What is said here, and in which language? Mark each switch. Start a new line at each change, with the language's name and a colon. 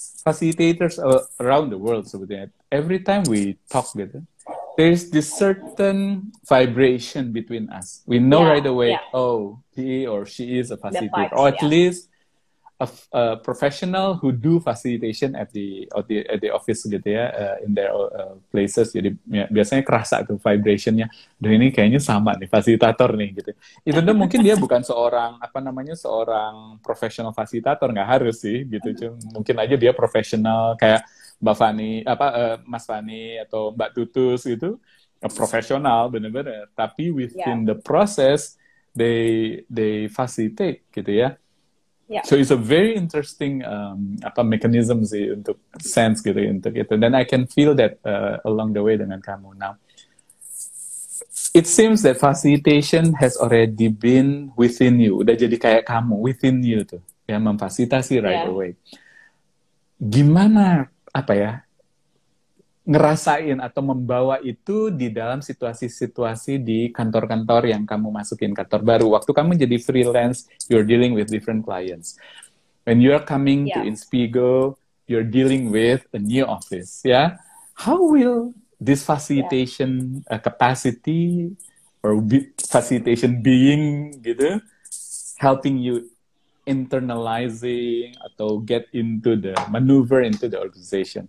English: Facilitators around the world
Indonesian: sebetulnya.
English: Every time we talk with them, there is this certain vibration between us. We know right away. Yeah. Oh, he or she is a facilitator, vibes, or at least a professional who do facilitation at the office
Indonesian: gitu ya,
English: in their places.
Indonesian: Jadi biasanya kerasa tuh vibrationnya. Dan ini kayaknya sama nih fasilitator nih gitu. Itu tuh mungkin dia bukan seorang profesional fasilitator, nggak harus sih gitu. Cuma mungkin aja dia profesional kayak Mbak Fani, Mas Fani atau Mbak Tutus gitu, profesional bener-bener. Tapi
English: within the process they facilitate
Indonesian: gitu ya.
English: Yeah. So it's a very interesting mechanism
Indonesian: sih untuk
English: sense
Indonesian: gitu untuk itu.
English: Then I can feel that along the way
Indonesian: dengan kamu.
English: Now, it seems that facilitation has already been within you.
Indonesian: Udah jadi kayak kamu
English: within you
Indonesian: tuh ya, memfasilitasi
English: right away.
Indonesian: Gimana ngerasain atau membawa itu di dalam situasi-situasi di kantor-kantor yang kamu masukin, kantor baru. Waktu kamu jadi freelance,
English: you're dealing with different clients. When you're coming to Inspigo, you're dealing with a new office. Yeah? How will this facilitation capacity or facilitation being
Indonesian: gitu,
English: helping you internalizing
Indonesian: atau
English: get into the maneuver into the organization?